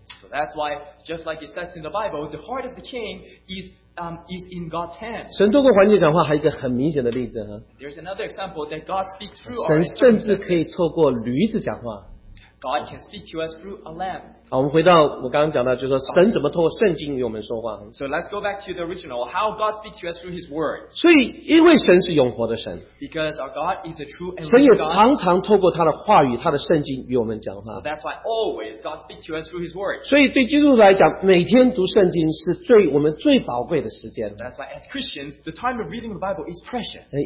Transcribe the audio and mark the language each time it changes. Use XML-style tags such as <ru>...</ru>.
<en>So that's why, just like it says in the Bible, the heart of the king is in God's hand.</en> <zh>神透过环境讲话还有一个很明显的例子。</zh> <en>There's another example that God speaks through.</en> <zh>神甚至可以透过驴子讲话。</zh> <en>God can speak to us through a lamb.</en> <zh>好，我们回到我刚刚讲到，就是说神怎么透过圣经与我们说话。</zh> <en>So let's go back to the original. How God speaks to us through His Word.</en> <zh>所以，因为神是永活的神。</zh> <en>Because our God is a true and living God.</en> <zh>神也常常透过他的话语、他的圣经与我们讲话。</zh> <en>So that's why always God speaks to us through His Word.</en> <zh>所以，对基督徒来讲，每天读圣经是最我们最宝贵的时间。</zh> <en>So that's why as Christians, the time of reading the Bible is precious.</en>